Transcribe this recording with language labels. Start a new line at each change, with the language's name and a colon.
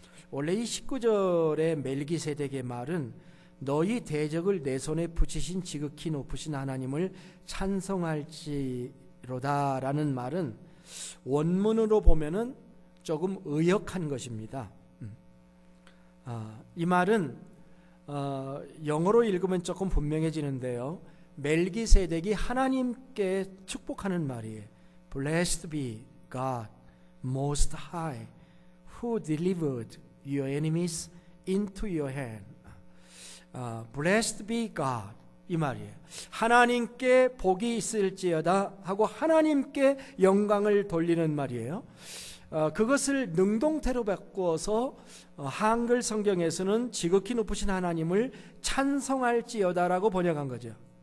Korean: 원래 이 19절의 멜기세덱의 말은 너희 대적을 내 손에 붙이신 지극히 높으신 하나님을 찬송할지로다 라는 말은 원문으로 보면은 조금 의역한 것입니다. 이 말은 영어로 읽으면 조금 분명해지는데요, 멜기세덱이 하나님께 축복하는 말이에요.
English: Blessed be God Most High who delivered your enemies into your hand. Blessed be God.
Korean: 이 말이에요. 하나님께 복이 있을지어다 하고 하나님께 영광을 돌리는 말이에요. 그것을 능동태로 바꿔서 한글 성경에서는 지극히 높으신 하나님을 찬송할지어다라고 번역한 거죠.